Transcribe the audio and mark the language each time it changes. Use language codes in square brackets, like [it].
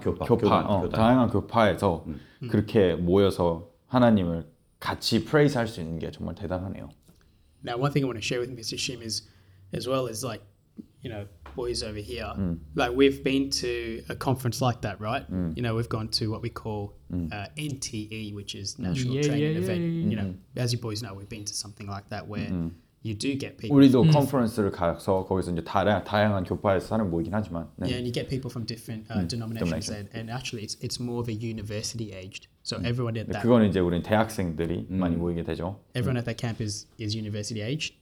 [ko] 교파 다양한 교파에서 그렇게 모여서 하나님을 같이 praise 할 수 있는 게 정말 대단하네요. [en] Now one thing I want to share with Mr. Shim is as well as like you know boys over here like we've been to a conference like that right? You know we've gone to what we call NTE which is National Training Event. You know as you boys know we've been to something like that where you do get people [ko] 우리도 conference를 가서 거기서 이제 다양한 교파에서 사람 모이긴 하지만 네. [en] Yeah and you get people from different denominations and actually it's more of a university aged So everyone at that [ko] 그건 이제 우리 대학생들이 많이 모이게 되죠. [en] Everyone at that camp is university age.